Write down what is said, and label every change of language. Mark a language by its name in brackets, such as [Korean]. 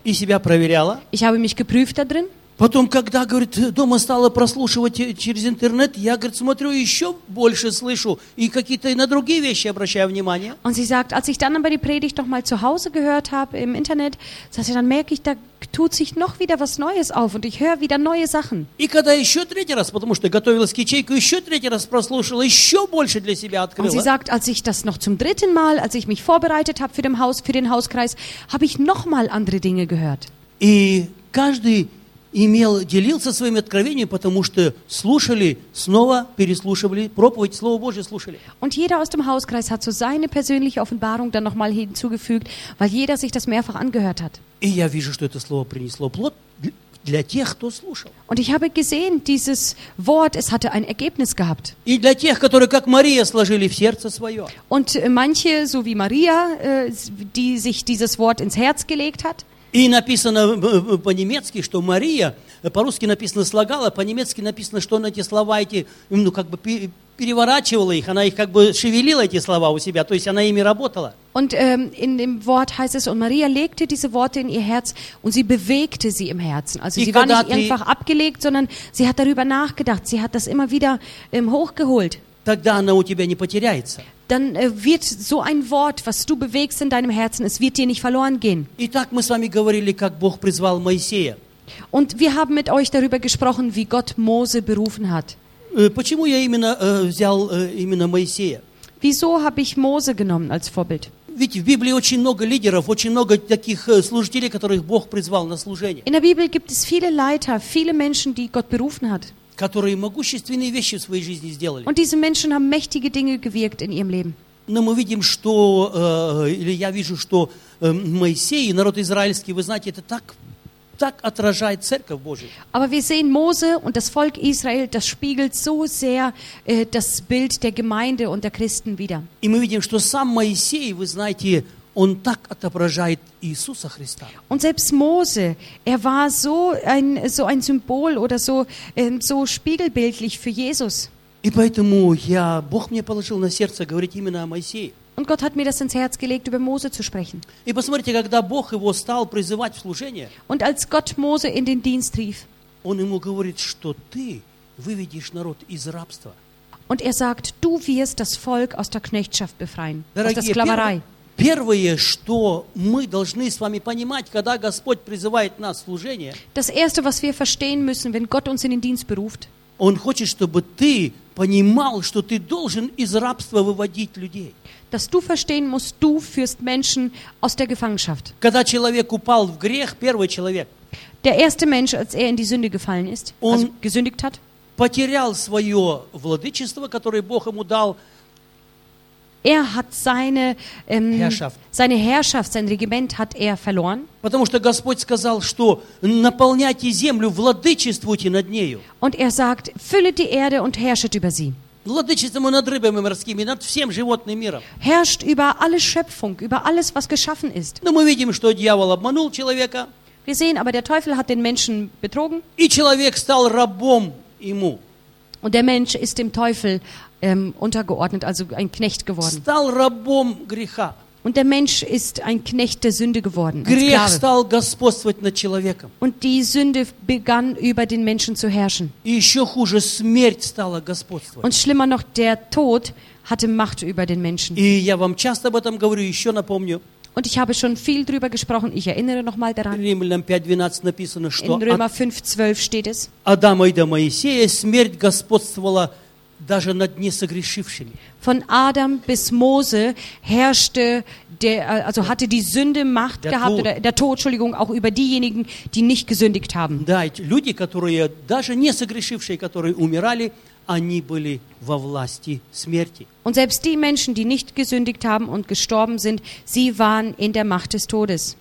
[German] Ich habe mich geprüft da drin. [Russian] Потом, когда, говорит, дома стала прослушивать через интернет, я, говорит, смотрю, еще больше слышу и какие-то и на другие вещи обращаю внимание. [German] Und sie sagt, als ich dann aber die Predigt noch mal zu Hause gehört habe im Internet, sagt sie, dann merke ich, da tut sich noch wieder was Neues auf und ich höre wieder neue Sachen. [Russian] И когда еще третий раз, потому что готовилась к ячейку, еще третий раз прослушала, еще больше для себя открыла. [German] Und sie sagt, als ich das noch zum dritten Mal, als ich mich vorbereitet habe für den Hauskreis, habe ich noch mal andere Dinge gehört. [Russian] И каждый имел, делился своими откровениями, потому что слушали, снова переслушивали проповедь, Слово Божие слушали. [German] Und jeder aus dem Hauskreis hat so seine persönliche Offenbarung dann nochmal hinzugefügt, weil jeder sich das mehrfach angehört hat. [Russian] И я вижу, что это слово принесло плод для тех, кто слушал. [German] Und ich habe gesehen, dieses Wort, es hatte ein Ergebnis gehabt. [Russian] И для тех, которые как Мария сложили в сердце свое. [German] Und manche, so wie Maria, die sich dieses Wort ins Herz gelegt hat. [Russian] И написано по-немецки, что Мария, по-русски написано слагала, по-немецки написано, что она эти слова эти, ну как бы переворачивала их, она их как бы шевелила эти слова у себя, то есть она ими работала. [German] Und in dem Wort heißt es, und Maria legte diese Worte in ihr Herz und sie bewegte sie im Herzen. Also sie war nicht einfach abgelegt, sondern sie hat darüber nachgedacht, sie hat das immer wieder hochgeholt. [Russian] Тогда она у тебя не потеряется. [German] Dann wird so ein Wort, was du bewegst in deinem Herzen, es wird dir nicht verloren gehen. [Russian] Итак, мы с вами говорили, как Бог призвал Моисея. [German] Und wir haben mit euch darüber gesprochen, wie Gott Mose berufen hat. [Russian] Почему я именно взял именно Моисея? [German] Wieso habe ich Mose genommen als Vorbild? [Russian] Ведь в Библии очень много лидеров, очень много таких служителей, которых Бог призвал на служение. [German] In der Bibel gibt es viele Leiter, viele Menschen, die Gott berufen hat. [Russian] Которые могущественные вещи в своей жизни сделали. [German] Und diese Menschen haben mächtige Dinge gewirkt in ihrem Leben. [Russian] Но мы видим, что, или я вижу, что Моисей и народ израильский, вы знаете, это так отражает Церковь Божию. [German] Aber wir sehen Mose und das Volk Israel, das spiegelt so sehr das Bild der Gemeinde und der Christen wider. [Russian] И мы видим, что сам Моисей, вы знаете, он так отображает Иисуса Христа. [German] Und selbst Mose, er war so ein Symbol oder so spiegelbildlich für Jesus. [Russian] И поэтому Бог мне положил на сердце говорить именно о Моисее. [German] Und Gott hat mir das ins Herz gelegt, über Mose zu sprechen. [Russian] И посмотрите, когда Бог его стал призывать в служение. [German] Und als Gott Mose in den Dienst rief. [Russian] Он ему говорит, что ты выведешь народ из рабства. [German] Und er sagt, du wirst das Volk aus der Knechtschaft befreien, aus der Sklaverei. [Russian] Первое, что мы должны с вами понимать, когда Господь призывает нас в служение, [German] das erste, was wir verstehen müssen, wenn Gott uns in den Dienst beruft, [Russian] Он хочет, чтобы ты понимал, что ты должен из рабства выводить людей. [German] Dass du verstehen musst, du führst Menschen aus der Gefangenschaft. [Russian] Когда человек упал в грех, первый человек, [German] der erste Mensch, als in die Sünde gefallen ist, [Russian] он [German] also gesündigt hat, [Russian] потерял свое владычество, которое Бог ему дал, [German] er hat seine Herrschaft, sein Regiment hat er verloren. [Russian] Потому что Господь сказал, что наполняйте землю, владычествуйте над нею. [German] Und er sagt, füllet die Erde und herrscht über sie. [Russian] Владычествуйте над рыбами морскими, над всем животным миром. [German] Herrscht über alle Schöpfung, über alles, was geschaffen ist. [Russian] Но мы видим, что дьявол обманул человека. [German] Wir sehen, aber der Teufel hat den Menschen betrogen. [Russian] И человек стал рабом ему. [German] Und der Mensch ist dem Teufel untergeordnet, also ein Knecht geworden. [Russian] Стал рабом греха. [German] Und der Mensch ist ein Knecht der Sünde geworden. [Russian] Грех стал господствовать над человеком. [German] Und die Sünde begann über den Menschen zu herrschen. [Russian] И еще хуже, смерть стала господствовать. [German] Und schlimmer noch, der Tod hatte Macht über den Menschen. [Russian] И я вам часто об этом говорю, еще напомню. [German] Und ich habe schon viel drüber gesprochen, ich erinnere nochmal daran. [Russian] Написано, [German] in Römer 5, 12 steht es, [Russian] Адама и до Моисея смерть господствовала даже над несогрешившими. [German] Von Adam bis Mose herrschte der, also hatte die Sünde Macht der gehabt, Tod. Oder der Tod, Entschuldigung, auch über diejenigen, die nicht gesündigt haben. [Russian] Да, люди, которые даже несогрешившие, которые умирали, они были во власти смерти. [German] Und selbst die Menschen, die nicht gesündigt haben und gestorben sind, sie waren in der Macht des Todes.